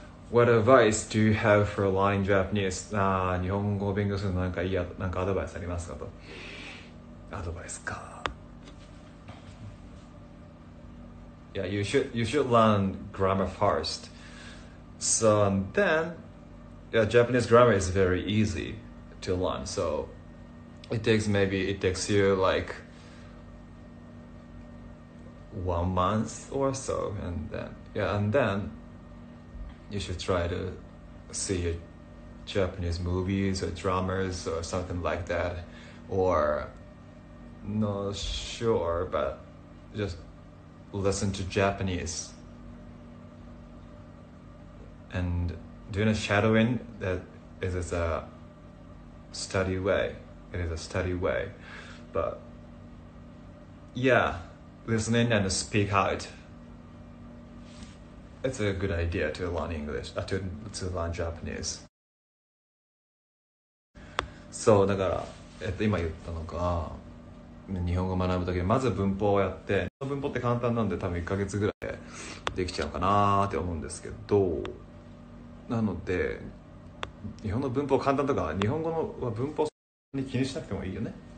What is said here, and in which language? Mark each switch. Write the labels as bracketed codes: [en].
[en] What advice do you have for learning Japanese? [ja] 日本語を勉強するのなんかいい、なんかアドバイスありますかと。アドバイスか。 [en] Yeah, you should learn grammar first. So then, yeah, Japanese grammar is very easy to learn. So it takes you like 1 month or so, and then you should try to see Japanese movies or dramas or something like that, or not sure, but just listen to Japanese. And doing a shadowing, that is a study way. It is a study way. But yeah, listening and speak out, it's a good idea to learn English, to learn Japanese. So, [ja] だから、今言ったのが、日本語を学ぶときにまず文法をやって、その文法って簡単なんで多分1ヶ月ぐらいでできちゃうかなって思うんですけど、なので、日本の文法簡単とか、日本語の文法に気にしなくてもいいよね。